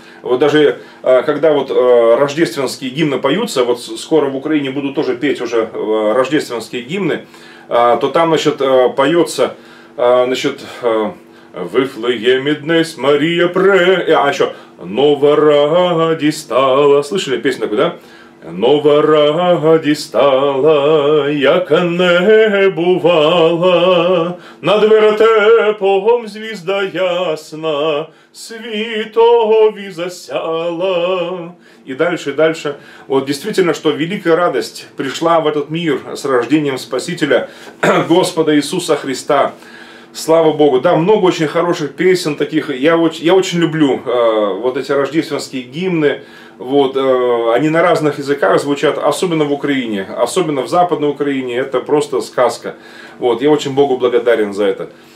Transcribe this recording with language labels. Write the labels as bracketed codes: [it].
[ru] Вот даже когда вот рождественские гимны поются, вот скоро в Украине будут тоже петь уже рождественские гимны, то там, значит, поется, значит, «Вифлееме днес Мария пре...» А еще «Новораді стала...» Слышали песню такую, да? [uk] «Новораді стала, яка не бувала, над вертепом звізда ясна, світові засяла». [ru] И дальше, вот действительно, что великая радость пришла в этот мир с рождением Спасителя Господа Иисуса Христа. Слава Богу, да, много очень хороших песен таких, я очень люблю вот эти рождественские гимны, вот, они на разных языках звучат, особенно в Украине, особенно в Западной Украине, это просто сказка, вот, я очень Богу благодарен за это.